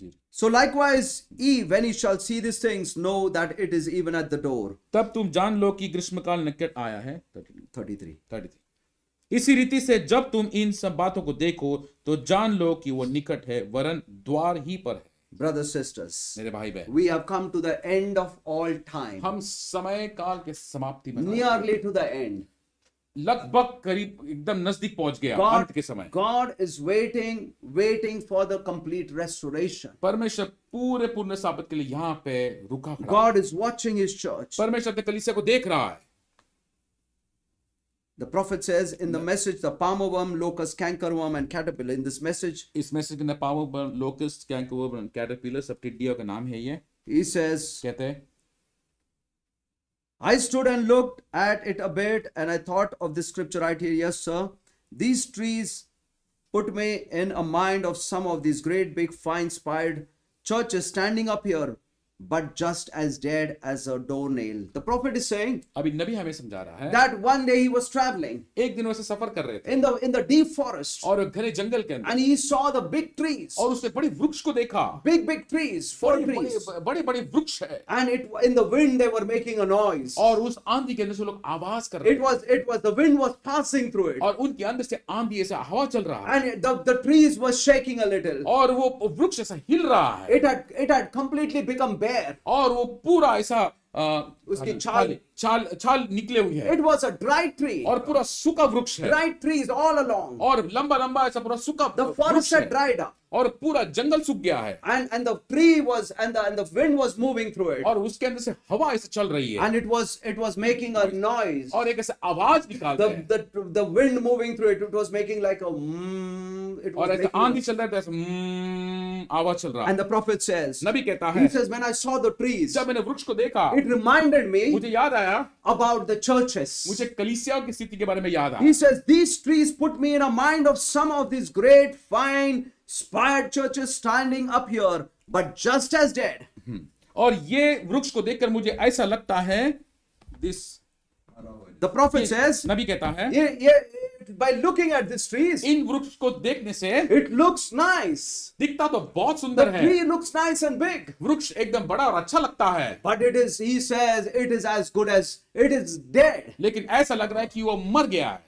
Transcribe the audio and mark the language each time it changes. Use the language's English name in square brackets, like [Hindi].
[English] So likewise, ye, when ye shall see these things, know that it is even at the door. [Hindi] तब तुम जान लो कि ग्रीष्मकाल निकट आया है. [English] 33. [Hindi] इसी रीति से जब तुम इन सब बातों को देखो तो जान लो कि वो निकट है, वरन द्वार ही पर है. [English] Brothers, sisters, [Hindi] मेरे भाई बहन, [English] we have come to the end of all time. [Hindi] हम समय काल के समाप्ति में. [English] Nearly to the end. [Hindi] लगभग करीब एकदम नजदीक पहुंच गया अंत के समय. [English] God is waiting for the complete restoration. [Hindi] परमेश्वर पूरे पूर्ण साबित के लिए यहाँ पे रुका खड़ा. [English] God is watching his church. [Hindi] परमेश्वर अपने कलीसिया को देख रहा है. [English] The prophet says in the message, the palm worm, locust, cankerworm, and caterpillar. In this message, [Hindi] इस मैसेज के ना [English] palm worm, locust, cankerworm, and caterpillar [Hindi] सब टिड्डियों का नाम है ये. [English] He says, [Hindi] कहते हैं, [English] I stood and looked at it a bit and I thought of this scripture right here. Yes, sir. These trees put me in a mind of some of these great, big, fine, spired churches standing up here, but just as dead as a doornail. The prophet is saying, [Hindi] अभी नबी हमें समझा रहा है, [English] that one day he was traveling, [Hindi] एक दिन वैसे सफर कर रहे थे, [English] in the deep forest, [Hindi] और घने जंगल के अंदर, [English] and he saw the big trees, [Hindi] और उसने बड़ी वृक्ष को देखा, [English] big trees, four trees, [Hindi] बड़े वृक्ष है, [English] and it in the wind they were making a noise, [Hindi] और उस आंधी के अंदर से लोग आवाज कर रहे, [English] it was the wind was passing through it, [Hindi] और उनके अंदर से आंधी ऐसे हवा चल रहा, [English] and the trees were shaking a little, [Hindi] और वो वृक्ष ऐसा हिल रहा है, [English] it had completely become bare. [Hindi] और वो पूरा ऐसा उसकी छाल छाल छाल निकले हुए हैं. [English] It was a dry tree. [Hindi] और पूरा सूखा वृक्ष है. [English] Dry trees all along. [Hindi] और लंबा लंबा ऐसा पूरा सूखा [English] वृक्ष. The forest had dried up. [Hindi] और पूरा जंगल सूख गया है. [English] And the tree was and the wind was moving through it. [Hindi] और उसके अंदर से हवा ऐसे चल रही है. [English] And it was making a noise. [Hindi] और एक ऐसे आवाज निकाल रहा है. [English] The wind moving through it was making like a it [Hindi] और ऐसे आंधी चल रहा है, ऐसे आवाज चल रहा है. [English] And the prophet says, [Hindi] नबी कहता है, [English] he says, when I saw the trees, [Hindi] जब मैंने वृक्ष को देखा, [English] it reminded me, [Hindi] मुझे याद आया, [English] about the churches, [Hindi] मुझे कलीसियाओं की स्थिति के बारे में याद आया. [English] He says, these trees put me in a mind of some of these great fine spired churches standing up here, but just as dead. [Hindi] और ये वृक्ष को देखकर मुझे ऐसा लगता है, this [English] the prophet says, [Hindi] नबी कहता है, ये it [English] by looking at these trees, [Hindi] in vrukshon ko dekhne se, [English] it looks nice. [Hindi] Dikhta to bahut sundar hai. [English] The tree looks nice and big. [Hindi] Vruksh ekdam bada aur acha lagta hai. [English] But it is, he says, it is as good as it is dead. [Hindi] Lekin aisa lag raha hai ki wo mar gaya hai.